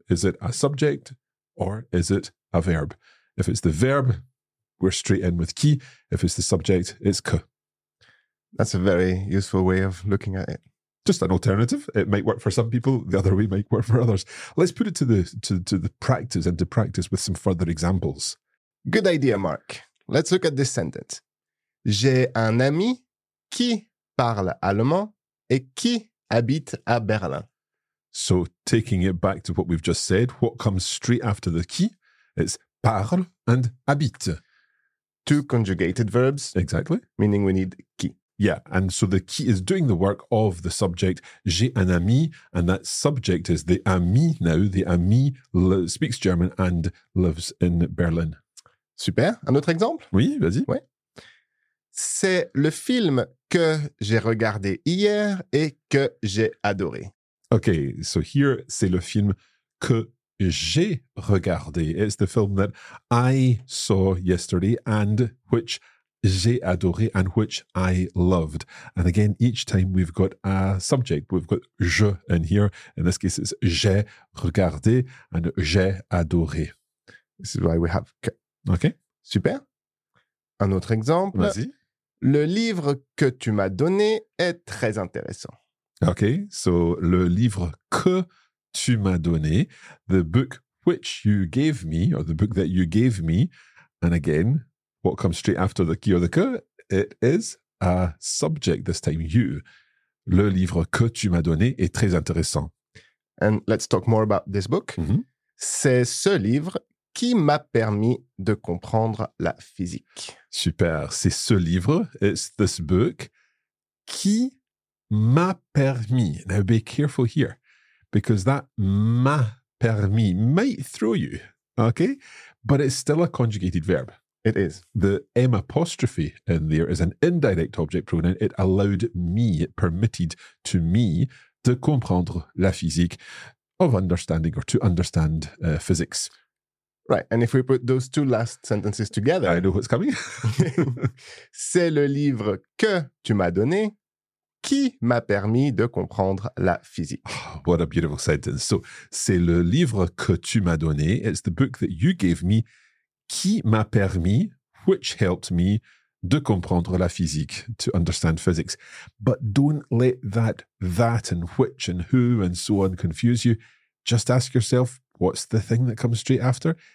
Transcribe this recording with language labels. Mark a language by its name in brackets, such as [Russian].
[English] Is it a subject or is it a verb? If it's the verb, we're straight in with qui. If it's the subject, it's que. That's a very useful way of looking at it. Just an alternative. It might work for some people, the other way might work for others. Let's put it into practice with some further examples. Good idea, Mark. Let's look at this sentence. [French] J'ai un ami qui parle allemand et qui habite à Berlin. [English] So taking it back to what we've just said, what comes straight after the qui? It's parle and habite. Two conjugated verbs. Exactly. Meaning we need qui. Yeah, and so the qui is doing the work of the subject, [French] j'ai un ami, [English] and that subject is the ami now. The ami speaks German and lives in Berlin. [French] Super. Un autre exemple? Oui, vas-y. Ouais. C'est le film que j'ai regardé hier et que j'ai adoré. [English] Okay, so here, [French] c'est le film que j'ai regardé. [English] It's the film that I saw yesterday and which [French] j'ai adoré [English] and which I loved. And again, each time we've got a subject. We've got je in here. In this case, it's [French] j'ai regardé [English] and [French] j'ai adoré. [English] This is why we have que. Okay. [French] Super. Un autre exemple. Vas-y. Le livre que tu m'as donné est très intéressant. [English] Okay, so [French] le livre que tu m'as donné, [English] the book which you gave me, or the book that you gave me, and again, what comes straight after the qui or the que, it is a subject this time, you. [French] Le livre que tu m'as donné est très intéressant. [English] And let's talk more about this book. Mm-hmm. [French] C'est ce livre qui m'a permis de comprendre la physique. Super, c'est ce livre, [English] it's this book, [French] qui m'a permis. [English] Now be careful here, because that m'a permis might throw you, okay? But it's still a conjugated verb. It is. The M apostrophe in there is an indirect object pronoun. It allowed me, it permitted to me, [French] de comprendre la physique, [English] of understanding or to understand physics. Right, and if we put those two last sentences together. I know what's coming. [French] C'est le livre que tu m'as donné qui m'a permis de comprendre la physique. [English] Oh, what a beautiful sentence. [French] So, c'est le livre que tu m'as donné. [English] It's the book that you gave me [French] qui m'a permis, [English] which helped me, [French] de comprendre la physique, [English] to understand physics. But don't let that and which and who and so on confuse you. Just ask yourself, what's the thing that comes straight after?